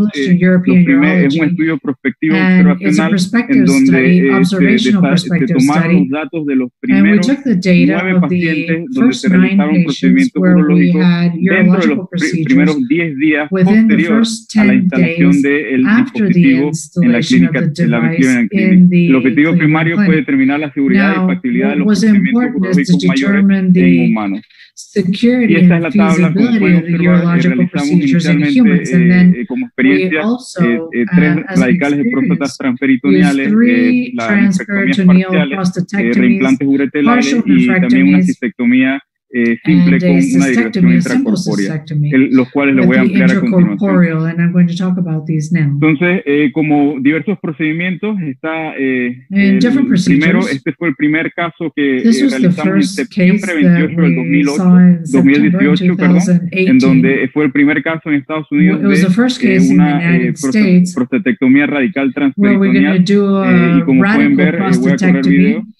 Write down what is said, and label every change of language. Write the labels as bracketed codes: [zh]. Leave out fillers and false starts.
[es] Es un estudio prospectivo observacional en donde se tomaron los datos de los primeros 9 pacientes donde se realizaron procedimientos urológicos dentro de los primeros 10 días posteriores a la instalación del dispositivo en la clínica. El objetivo primario fue determinar la seguridad y factibilidad de los procedimientos urológicos mayores en humanos. [en] Security and feasibility of the urological procedures in humans. And then we also, as we experienced, three transperitoneal prostatectomies, partial nephrectomy, simple cystectomy, and a cystectomy, simple cystectomy, and I'm going to talk about these now. [es] Entonces, como diversos procedimientos, está este fue el primer caso que realizamos en septiembre 28 del 2018, en donde fue el primer caso en Estados Unidos de una prostatectomía radical transperitoneal, y como pueden ver, voy a correr el video.